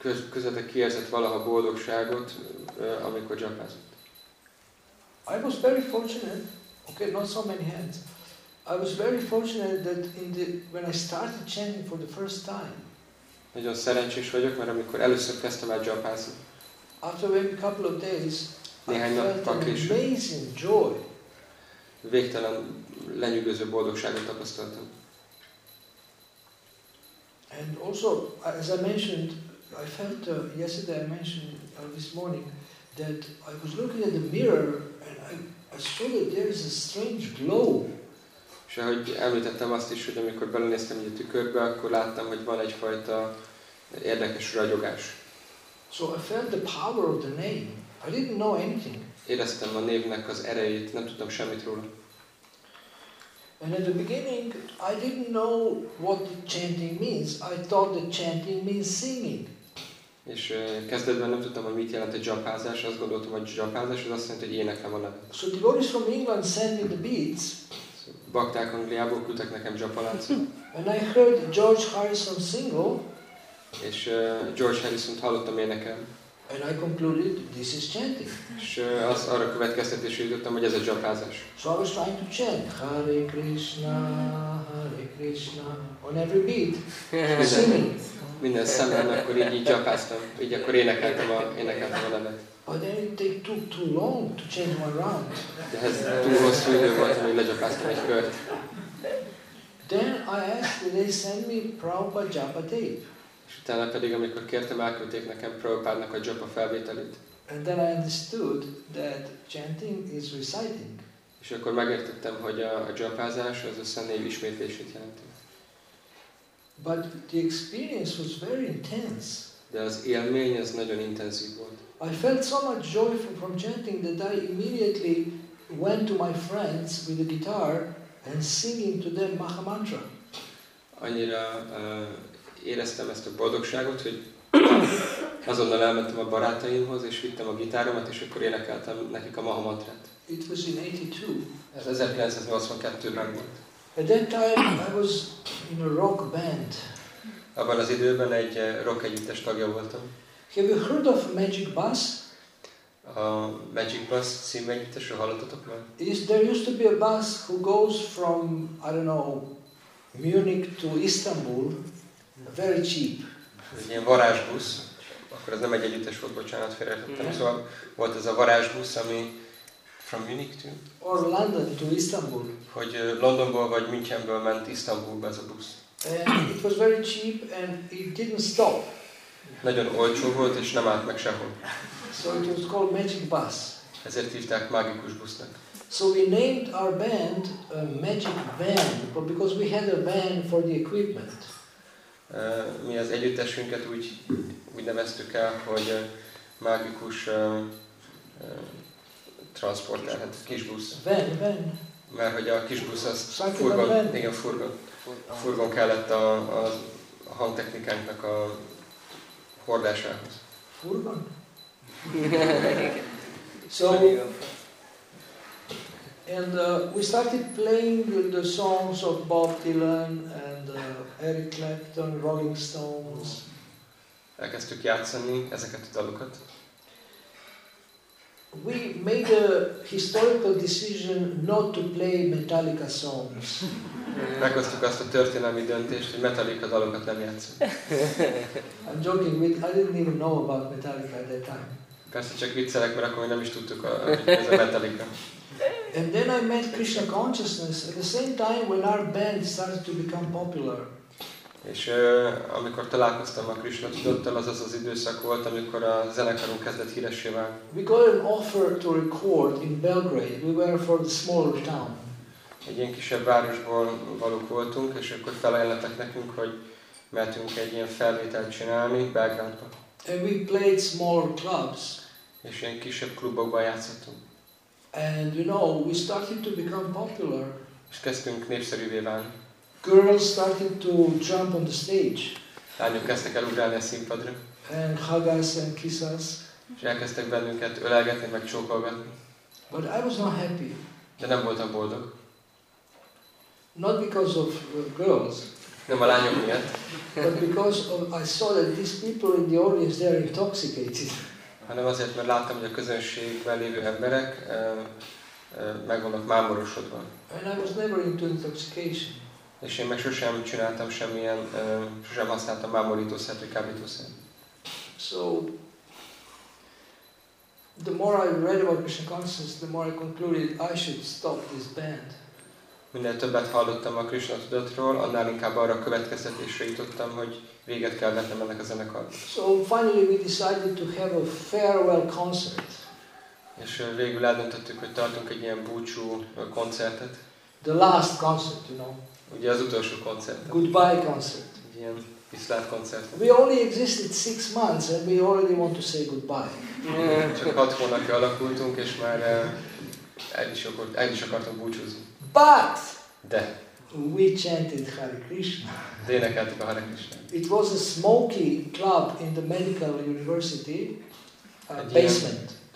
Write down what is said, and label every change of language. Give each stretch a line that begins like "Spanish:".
Hungarian: Közületek ki érzett valaha boldogságot, amikor japázott?
English: I was very fortunate. Okay, not so many hands. I was very fortunate that when I started chanting for the first time.
Hungarian: Nagyon szerencsés vagyok, mert amikor először kezdtem el japázni.
English: After maybe a couple of days,
Hungarian: néhány
English: I felt an amazing joy.
Hungarian: Végtelen lenyűgöző boldogságot tapasztaltam.
English: And also, as I mentioned, I felt yesterday, I mentioned this morning, that I was looking at the mirror and I saw that there is a strange glow.
Hungarian: És ahogy említettem azt is, hogy amikor belenéztem a tükörbe, akkor láttam, hogy van egyfajta érdekes ragyogás.
English: So I felt the power of the name. I didn't know anything.
Hungarian: Éreztem a névnek az erejét, nem tudtam semmit róla.
English: And at the beginning, I didn't know what the chanting means. I thought the chanting means singing.
Hungarian: És kezdetben nem tudtam, hogy mit jelent a japázás. Azt gondoltam, hogy japázás az azt jelenti, hogy énekem a nevet.
English: So devotees from England sent me the beats.
Hungarian: Bakták Angliából küldtek nekem japalát.
English: And I heard George Harrison single.
Hungarian: És George Harrison-t hallottam énekelni.
English: And I concluded this is chanting.
Hungarian: És az arra következtetésre jutottam, hogy ez a japázás.
English: So I was trying to chant Hare Krishna, Hare Krishna on every beat. Singing.
Hungarian: Minden szemben akkor így japáztam, így akkor énekeltem a nevet.
English: But then it takes too long to chant one round.
Hungarian: De ez túl hosszú idő volt, hogy lejapáztam egy kört.
English: Then I asked, did they send me Prabhupada japa tape?
Hungarian: És utána pedig, amikor kértem, elküldték nekem Prabhupádnak a japa felvételét.
English: And then I understood that chanting is reciting.
Hungarian: És akkor megértettem, hogy a japázás az a szennév ismétlését jelenti.
English: But the experience was very intense.
Hungarian: De az élmény az nagyon intenzív volt.
English: I felt so much joy from chanting that I immediately went to my friends with a guitar and singing to them Maha Mantra.
Hungarian: Annyira éreztem ezt a boldogságot, hogy azonnal elmentem a barátaimhoz, és vittem a gitáromat, és akkor énekeltem nekik a Maha Mantrát.
English: It was in 82.
Hungarian: Ez 1982-ben volt.
English: At that time I was in a rock band.
Hungarian: Abban az időben egy rock együttes tagja voltam.
English: Have you heard of Magic Bus?
Hungarian: A Magic Bus című együttesről hallottatok már?
English: There used to be a bus who goes from, I don't know, Munich to Istanbul, very cheap.
Hungarian: Egy ilyen varázsbusz, akkor ez nem egy együttes volt, bocsánat, félreértettem. Yeah. Szóval volt ez a varázsbusz, ami
English: from Munich to? Or London to Istanbul.
Hungarian: Hogy Londonból vagy Münchenből ment Istanbulba ez a busz.
English: And it was very cheap and it didn't stop.
Hungarian: Nagyon olcsó volt és nem állt meg sehol.
English: So it was called Magic Bus.
Hungarian: Ezért hívták mágikus busznak.
English: So we named our band a Magic Van, but because we had a van for the equipment.
Hungarian: Mi az együttesünket úgy neveztük el, hogy mágikus transporter, hát kis busz.
English: Van.
Hungarian: Mert hogy a kis busz az furgon, igen, furgon kellett a hangtechnikánknak a hordásához. Furgon?
English: So, and we started playing the songs of Bob Dylan and Eric Clapton, Rolling Stones.
Hungarian: Elkezdtük játszani ezeket a dalokat.
English: We made a historical decision not to play Metallica songs.
Hungarian: Meghoztuk azt a történelmi döntést, hogy Metallica dalokat nem játszunk.
English: I'm joking, I didn't even know about Metallica at that time.
Hungarian: Persze csak viccelek, mert akkor nem is tudtuk, ez a Metallica.
English: And then I met Krishna Consciousness at the same time when our band started to become popular.
Hungarian: És amikor találkoztam a Krishna Tudottal, az az időszak volt, amikor a zenekarunk kezdett híressé válni.
English: We got an offer to record in Belgrade. We were for the smaller town.
Hungarian: Egy ilyen kisebb városból valók voltunk, és akkor felajánlottak nekünk, hogy mehetünk egy ilyen felvételt csinálni Belgrádban.
English: And we played smaller clubs.
Hungarian: És ilyen kisebb klubokban játszottunk.
English: And you know, we started to become popular.
Hungarian: És kezdtünk népszerűvé válni.
English: Girls started to jump on the stage.
Hungarian: Lányok kezdtek el ugrálni a színpadra.
English: And hug us and kiss us.
Hungarian: És elkezdtek bennünket ölelgetni, meg csókolgatni.
English: But I was not happy.
Hungarian: De nem voltam boldog.
English: Not because of girls.
Hungarian: Nem a lányok miatt.
English: But because of, I saw that these people in the audience, they are intoxicated.
Hungarian: Hanem azért, mert láttam, hogy a közönségben lévő emberek megvannak mámorosodva.
English: And I was never into intoxication.
Hungarian: És én meg sosem csináltam semmilyen, sosem használtam mámorítószert vagy kábítószert.
English: So, the more I read about Krishna consciousness, the more I concluded I should stop this band.
Hungarian: Minél többet hallottam a Krishna tudatról, annál inkább arra következtetésre jutottam, hogy véget kell vetnem ennek a zenekarnak.
English: So finally we decided to have a farewell concert.
Hungarian: És végül eldöntöttük, hogy tartunk egy ilyen búcsú koncertet.
English: The last concert, you know.
Hungarian: Ugye az utolsó koncert.
English: Goodbye concert.
Hungarian: Ilyen viszlát koncert.
English: We only existed 6 months and we already want to say goodbye.
Hungarian: Csak 6 hónapja alakultunk és már el is akartunk búcsúzni.
English: But
Hungarian: de.
English: We chanted Hare Krishna.
Hungarian: De énekeltük a Hare Krishna.
English: It was a smoky club in the medical university basement.